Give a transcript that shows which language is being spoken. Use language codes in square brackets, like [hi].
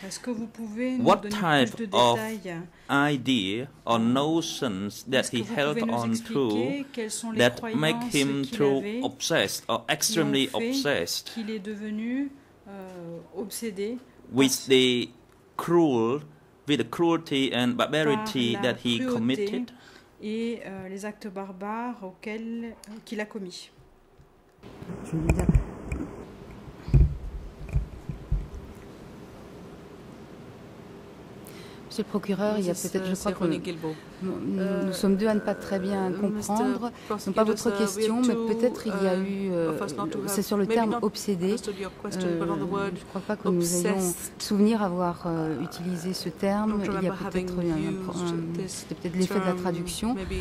[fr] Est-ce que vous pouvez nous donner type plus de détails? [en] What type of idea or notions that he held on to that make him too obsessed or extremely obsessed? [fr] Qu'il est devenu obsédé [en] with the cruel, with the cruelty and barbarity that he committed. [fr] Et les actes barbares auxquels qu'il a commis. Monsieur le procureur, il y a peut-être, je crois que nous sommes deux à ne pas très bien comprendre, non pas votre question, mais peut-être il y a eu, c'est sur le terme obsédé, je ne crois pas que nous ayons souvenir avoir utilisé ce terme, il y a peut-être eu c'était peut-être l'effet de la traduction.